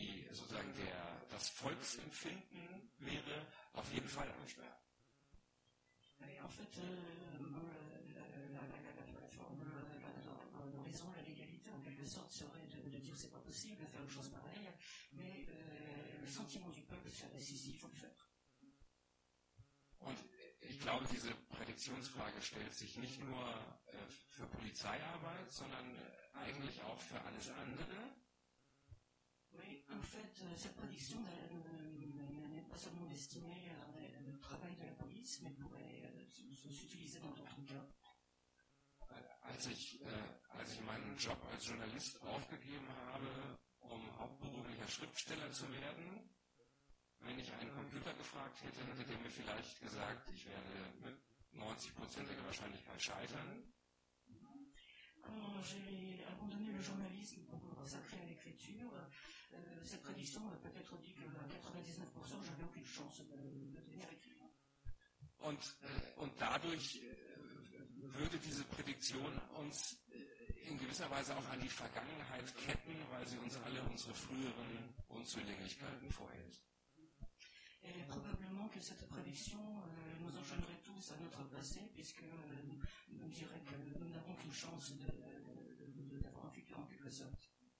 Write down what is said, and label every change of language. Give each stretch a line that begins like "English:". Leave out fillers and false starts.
German: sozusagen der, das Volksempfinden wäre auf jeden Fall eine Steuer.
French: En fait, l'horizon de l'égalité, en quelque sorte, serait de dire c'est pas possible de faire une chose pareille, mais le sentiment du peuple serait décisif, il faut le faire.
German: Und ich glaube, diese Prädiktionsfrage stellt sich nicht nur für Polizeiarbeit, sondern eigentlich auch für alles andere.
French: Oui, en fait, cette prédiction n'est pas seulement destinée au travail de la police, mais pourrait s'utiliser dans d'autres cas.
German: Als ich meinen Job als Journalist aufgegeben habe, um hauptberuflicher Schriftsteller zu werden, wenn ich einen Computer gefragt hätte, hätte der mir vielleicht gesagt, ich werde mit 90%iger Wahrscheinlichkeit scheitern.
French: Quand j'ai abandonné le journalisme pour consacrer à l'écriture, cette prédiction m'a peut-être dit que à 99% j'avais aucune chance de devenir écrivain.
German: Und dadurch würde diese Prädiktion uns in gewisser Weise auch an die Vergangenheit ketten, weil sie uns alle unsere früheren Unzulänglichkeiten vorhält.
French: Et probablement que cette prédiction nous enchaînerait tous à notre passé, puisque nous dirait que nous n'avons qu'une chance d'avoir un futur en quelque sorte.